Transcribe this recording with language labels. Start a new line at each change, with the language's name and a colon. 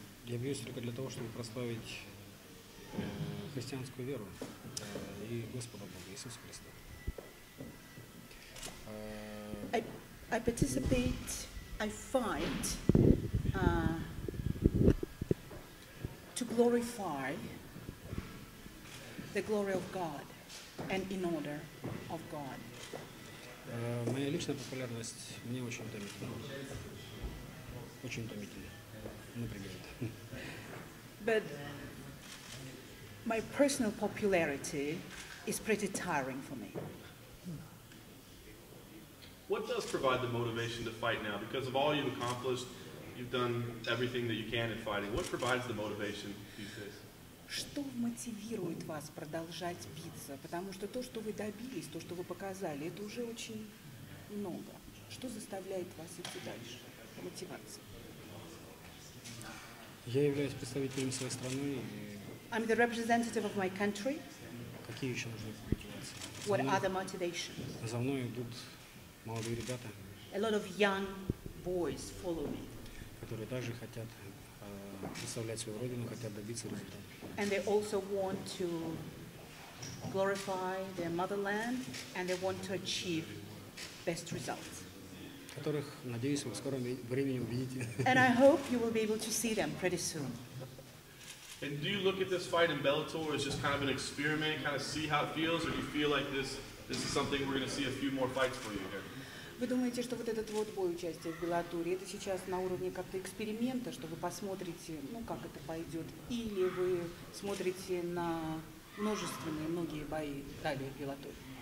Russian: Я бьюсь только для того, чтобы прославить христианскую веру и Господа Бога Иисуса Христа.
English: I participate, I fight to glorify the glory of God and in order of God.
Russian: Моя личная популярность мне очень утомительна. Очень утомительна. Например.
English: But my personal popularity is pretty tiring for me. What does provide the motivation to fight now? Because of all you've accomplished, you've done everything that you can in fighting. What provides the motivation these days?
Russian: Что мотивирует вас продолжать биться? Потому что то, что вы добились, то, что вы показали, это уже очень много. Что заставляет вас идти дальше? Мотивация. Я являюсь представителем своей страны.
English: I'm the representative of my country.
Russian: Какие еще нужны мотивации?
English: What are the motivations?
Russian: За мной идут молодые ребята.
English: A lot of young boys follow me.
Russian: Которые также хотят представлять свою родину, хотят добиться результата.
English: And they also want to glorify their motherland and they want to achieve best results.
Russian: Которых, надеюсь, вы в скором времени увидите.
English: And I hope you will be able to see them pretty soon. And do you look at this fight in Bellator as just kind of an experiment, kind of see how it feels, or do you feel like this is something we're going to see a few more fights for you here?
Russian: Вы думаете, что вот этот вот бой участия в Беллаторе, это сейчас на уровне как-то эксперимента, что вы посмотрите, ну, как это пойдет, или вы смотрите на множественные, многие бои далее в Беллаторе?